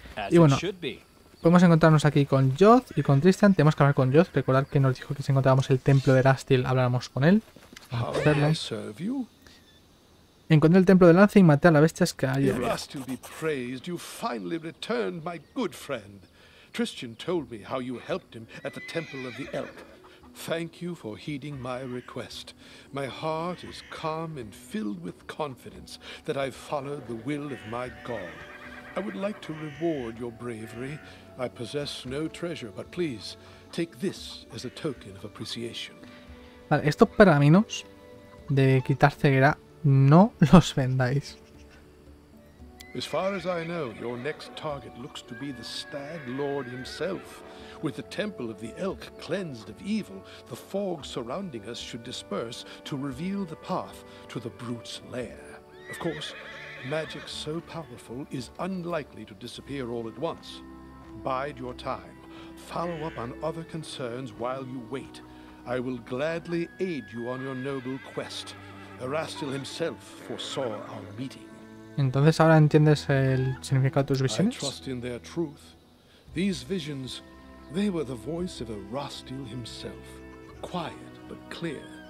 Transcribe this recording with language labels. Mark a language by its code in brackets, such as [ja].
[es] Y bueno, podemos encontrarnos aquí con Joth y con Tristan. Tenemos que hablar con Joth. Recordar que nos dijo que si encontrábamos el templo de Rastil, habláramos con él. Vamos a hacerlo. Encontré el templo de Lance y maté a la bestia que hay allí. [en] Rastil, be praised. You finally returned, my good friend. Tristan told me how you helped him at the Temple of the Elk. Thank you for heeding my request. My heart is calm and filled with confidence that I've followed the will of my God. I would like to reward your bravery. I possess no treasure, but please take this as a token of appreciation. [es] Vale, estos pergaminos de quitar ceguera no los vendáis. [en] As far as I know, your next target looks to be the Stag Lord himself. With the Temple of the Elk cleansed of evil, the fog surrounding us should disperse to reveal the path to the brute's lair. Of course, magic so powerful is unlikely to disappear all at once. Bide your time. Follow up on other concerns while you wait. I will gladly aid you on your noble quest. Erastil himself foresaw our meeting. [es] Entonces ahora entiendes el significado de tus visiones. [en] I trust in their truth. These visions, they were the voice of Erastil himself, quiet but clear.